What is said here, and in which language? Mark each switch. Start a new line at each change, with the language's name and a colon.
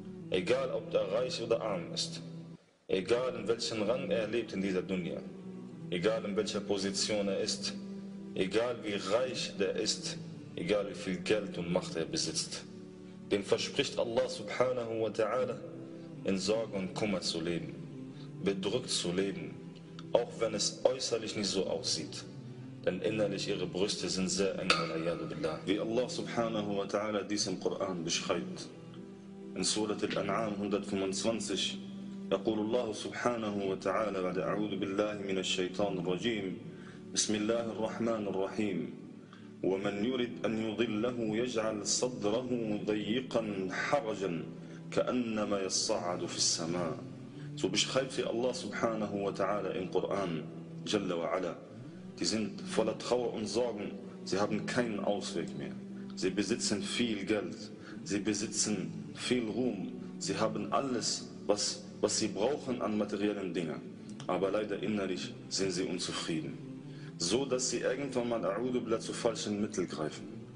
German: Egal, ob er reich oder arm ist, egal in welchem Rang er lebt in dieser Dunya, egal in welcher Position er ist, egal wie reich der ist, egal wie viel Geld und Macht er besitzt, dem verspricht Allah subhanahu wa ta'ala, in Sorge und Kummer zu leben, bedrückt zu leben, auch wenn es äußerlich nicht so aussieht, denn innerlich ihre Brüste sind sehr eng, wal'iyadu billah. Wie Allah subhanahu wa ta'ala dies im Koran beschreibt, in Surat al-An'am 125,
Arabic: يقول الله سبحانه وتعالى بعد أعوذ بالله من الشيطان الرجيم بسم الله الرحمن الرحيم ومن يرد أن يضله يجعل صدره ضيقا حرجا كأنما يصعد في السماء.
German: So beschreibt sie Allah subhanahu wa ta'ala im Koran, Jalla wa Ala. Sie sind voller Trauer und Sorgen, sie haben keinen Ausweg mehr. Sie besitzen viel Geld, sie besitzen viel Ruhm, sie haben alles, was sie brauchen an materiellen Dingen. Aber leider innerlich sind sie unzufrieden. So, dass sie irgendwann mal, a'udhu billah, zu falschen Mitteln greifen.